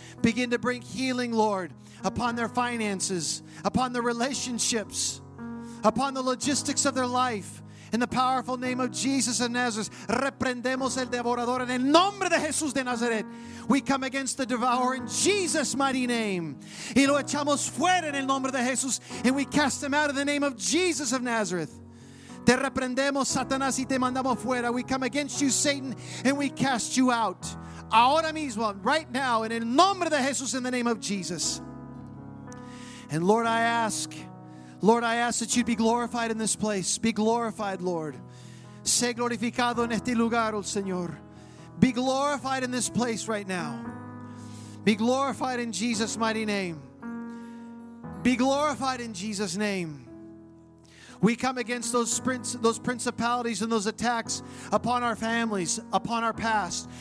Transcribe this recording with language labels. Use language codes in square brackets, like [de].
[en] Begin to bring healing, Lord, upon their finances, upon their relationships, upon the logistics of their life. In the powerful name of Jesus of Nazareth, [es] reprendemos el devorador en el nombre de Jesús de Nazaret. [en] We come against the devourer in Jesus' mighty name. [es] Y lo echamos fuera en el nombre de Jesús. [en] And we cast them out in the name of Jesus of Nazareth. [es] Te reprendemos, Satanás, y te mandamos fuera. [en] We come against you, Satan, and we cast you out. [es] Ahora mismo, [en] right now, in [es] el nombre de Jesús, [en] in the name of Jesus. And Lord, I ask, Lord, I ask that you'd be glorified in this place. Be glorified, Lord. [es] Sé glorificado en este lugar, oh Señor. [en] Be glorified in this place right now. Be glorified in Jesus' mighty name. Be glorified in Jesus' name. We come against those principalities and those attacks upon our families, upon our past.